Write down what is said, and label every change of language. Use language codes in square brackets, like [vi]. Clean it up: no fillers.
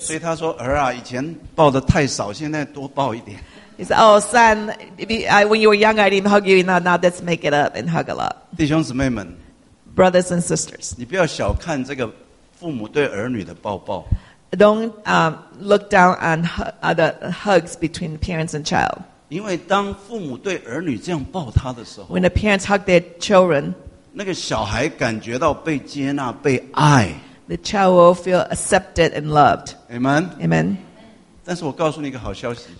[zh] 所以他说儿啊以前抱得太少现在多抱一点 [en] He said, oh, son, when you were younger, I didn't hug you enough. Now let's make it up and hug a lot. [zh] 弟兄姊妹们 [en] Brothers and sisters. [zh] 你不要小看这个父母对儿女的抱抱 [en] Don't look down on the hugs between parents and child. [zh] 因为当父母对儿女这样抱他的时候 [en] When the parents hug their children, [zh] 那个小孩感觉到被接纳被爱 [en] The child will feel accepted and loved Amen Amen [zh] 但是我告诉你一个好消息